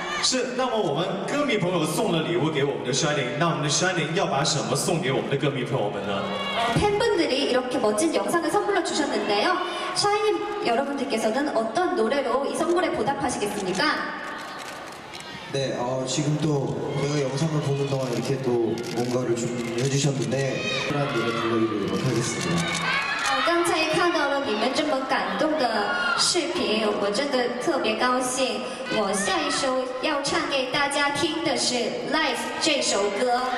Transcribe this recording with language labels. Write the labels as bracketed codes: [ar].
[zh] 是，那么我们歌迷朋友送了礼物给我们的 Shining， 那我们的 Shining 要把什么送给我们的歌迷朋友们呢？ [ko] 팬분들이 이렇게 멋진 영상을 선물로 주셨는데요. Shining 여러분들께서는 어떤 노래로 이 선물에 보답하시겠습니까? 네, 지금 또 제가 영상을 보는 동안 이렇게 또 뭔가를 준비해주셨는데 그런 노래 불러드리도록 하겠습니다. [zh] 刚才看到了你们这么感动的视频，我真的特别高兴。我下一首要唱给大家听的是 Life 这首歌。